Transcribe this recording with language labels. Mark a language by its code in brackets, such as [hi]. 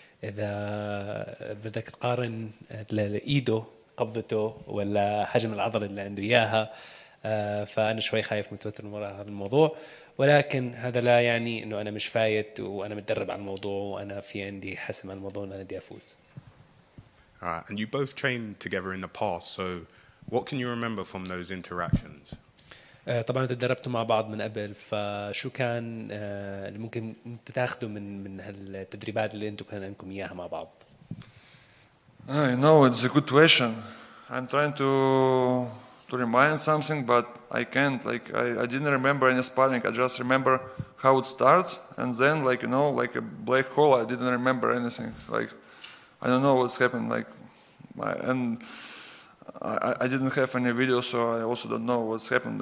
[ar] إذا بدك تقارن لإيده قبضته ولا حجم العضلة اللي عنده إياها، فأنا شوي خايف متوتر من هذا الموضوع. ولكن هذا لا يعني إنه أنا مش فايت وأنا متدرب على الموضوع وأنا في عندي حسم على الموضوع وأنا بدي أفوز. [en] And you both trained together in the past, so what can you remember from those interactions? [ar] طبعا تدربتوا مع بعض من قبل فشو كان اللي ممكن تاخذوا من هالتدريبات اللي انتم كان عندكم اياها مع بعض؟ [en] I know it's a good question. I'm trying to remind something but I can't like I didn't remember any sparring. I just remember how it starts and then like you know like a black hole. I didn't remember anything like I don't know what's happened. Like, I didn't have any video, so I also don't know what's happened.